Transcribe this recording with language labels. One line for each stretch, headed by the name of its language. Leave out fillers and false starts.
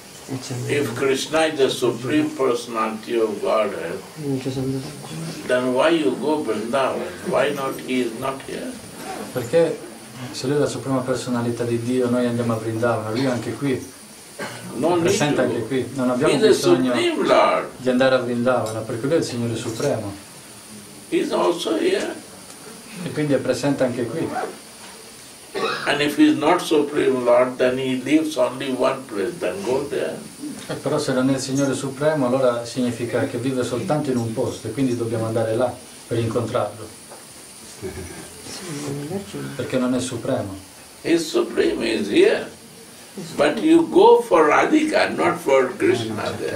English: If Krishna is the supreme personality of Godhead, then why you go Vrindavana? Why not he is not here?
Italian: Perché se lui è la suprema personalità di Dio, noi andiamo a Vrindavana, lui è anche qui, presente anche qui. Non abbiamo bisogno di andare a Vrindavana, perché lui è il Signore Supremo.
English: is also here.
Italian: E quindi è presente anche qui.
English: And if he is not Supreme Lord, then he leaves only one place, then go there.
Italian: E però se non è il Signore Supremo, allora significa che vive soltanto in un posto, e quindi dobbiamo andare là per incontrarlo. Perché non è Supremo. Il Supremo è qui, ma tu vai per Radhika, non per Krishna.